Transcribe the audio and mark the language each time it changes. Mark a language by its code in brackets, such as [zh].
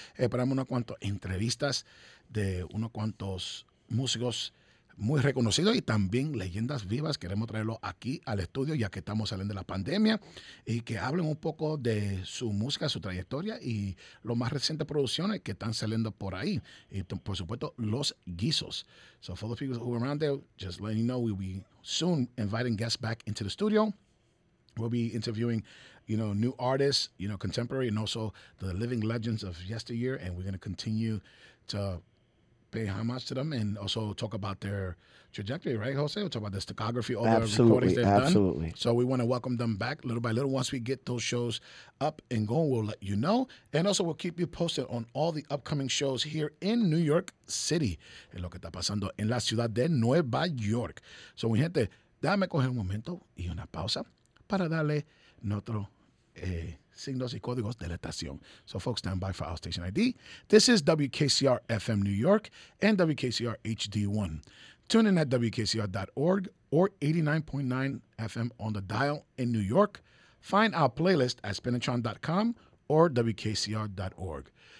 [es] Esperamos unas cuantas entrevistas de unos cuantos músicos muy reconocidos y también leyendas vivas. Queremos traerlos aquí al estudio ya que estamos saliendo de la pandemia y que hablen un poco de su música, su trayectoria y las más recientes producciones que están saliendo por ahí. Y por supuesto, Los Guisos. [en] So for the people who are around there, just letting you know, we'll be soon inviting guests back into the studio. We'll be interviewing, you know, new artists, you know, contemporary, and also the living legends of yesteryear. And we're going to continue to pay homage to them and also talk about their trajectory, right, Jose? We'll talk about the discography, all the recordings they've done. So we want to welcome them back little by little. Once we get those shows up and going, we'll let you know. And also we'll keep you posted on all the upcoming shows here in New York City. [es] En lo que está pasando en la ciudad de Nueva York. So, mi gente, déjame coger un momento y una pausa para darle nuestro signos y códigos de la estación. [en] So, folks, stand by for our station ID. This is WKCR FM New York and WKCR HD1. Tune in at WKCR.org or 89.9 FM on the dial in New York. Find our playlist at Spinatron.com or WKCR.org.